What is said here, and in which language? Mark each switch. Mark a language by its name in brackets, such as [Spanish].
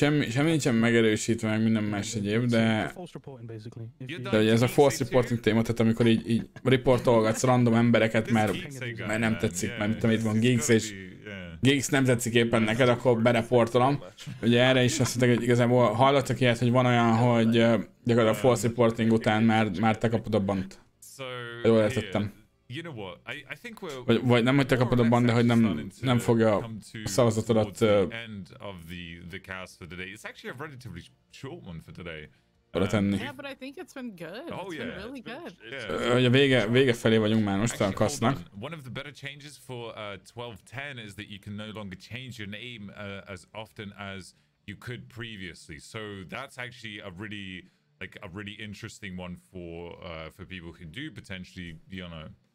[Hungarian] semmi nincsen megerősítve, meg minden más egyéb, de ugye ez a false reporting téma, tehát amikor így reportolgatsz random embereket, mert nem tetszik, mert mit tudom, itt van Geeks, és Geeks nem tetszik éppen neked, akkor bereportolom. Ugye erre is azt mondták, hogy igazából hallottak ilyet, hogy van olyan, hogy gyakorlatilag a false reporting után már te kapod a bant. Jól értettem. [English] You know what? I think we're. [Hungarian] Vagy nem hogy te kapod a bandát, hogy nem fogja a szavazatodat. [English] End of the cast for today. It's actually a relatively short one for today. [Hungarian] Tenni. [English] Yeah, but I think it's been good. Oh, it's been really good. [Hungarian] Ugye vége felé vagyunk már most a kasznak. [English] One of the better changes for 12.10 is that you can no longer change your name as often as you could previously. So that's actually a really like a really interesting one for people who do potentially, you know,